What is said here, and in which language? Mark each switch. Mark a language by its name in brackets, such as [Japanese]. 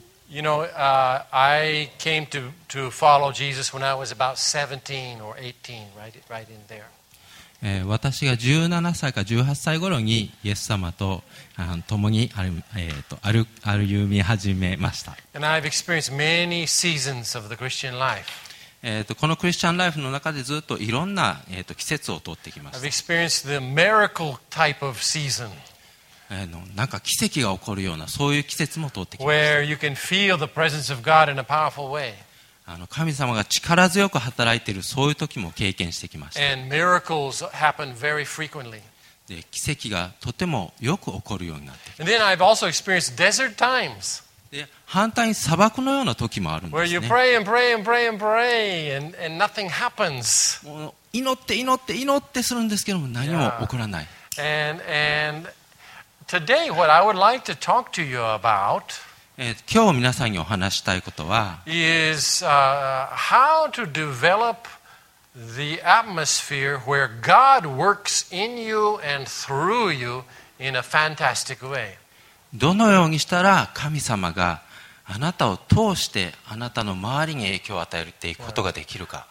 [English] You know, I came to follow Jesus when I was about 17 or 18, right in there. [Japanese] 私が17歳か18歳頃にイエス様と共に歩み始めました。 [English] And I've experienced many seasons of the Christian life. [Japanese] このクリスチャンライフの中でずっといろんな、季節を通ってきました。 [English] I've experienced the miracle type of season. [Japanese] なんか奇跡が起こるようなそういう季節も通ってきました。 [English] Where you can feel the presence of God in a powerful way. [Japanese] 神様が力強く働いているそういう時も経験してきました。 [English] And miracles happen very frequently. [Japanese] で、奇跡がとてもよく起こるようになってきました。 [English] And then I've also experienced desert times. [Japanese] 反対に砂漠のような時もあるんですね。 [English] Where you pray and nothing happens. [Japanese] 祈って祈って祈ってするんですけども何も起こらない。 [English] And today what I would like to talk to you about. [Japanese] 今日皆さんにお話したいことは [English] is how to develop the atmosphere where God works in you and through you in a fantastic way. [Japanese] どのようにしたら神様があなたを通してあなたの周りに影響を与えていくことができるか。